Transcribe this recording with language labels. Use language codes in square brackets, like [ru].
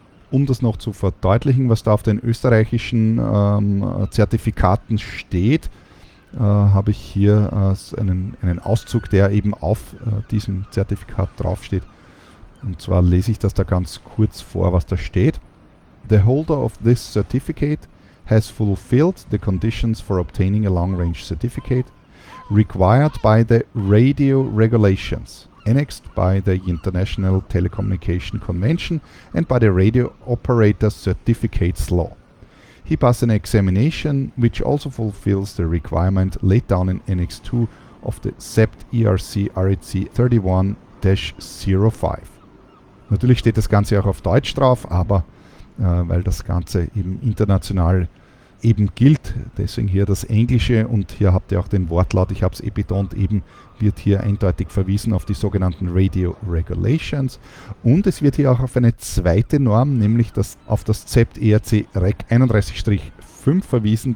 [de] Um das noch zu verdeutlichen, was da auf den österreichischen Zertifikaten steht, habe ich hier einen Auszug, der eben auf diesem Zertifikat draufsteht. Und zwar lese ich das da ganz kurz vor, was da steht. [en] The holder of this certificate has fulfilled the conditions for obtaining a long-range certificate required by the radio regulations annexed by the International Telecommunication Convention and by the Radio Operator Certificates Law. He passed an examination which also fulfills the requirement laid down in Annex 2 of the SEPT ERC REC 31-05. [de] Natürlich steht das Ganze auch auf Deutsch drauf, aber weil das Ganze eben international eben gilt, deswegen hier das Englische, und hier habt ihr auch den Wortlaut, ich habe es betont, eben wird hier eindeutig verwiesen auf die sogenannten Radio Regulations, und es wird hier auch auf eine zweite Norm, nämlich das auf das ZEPT ERC REC 31-5 verwiesen.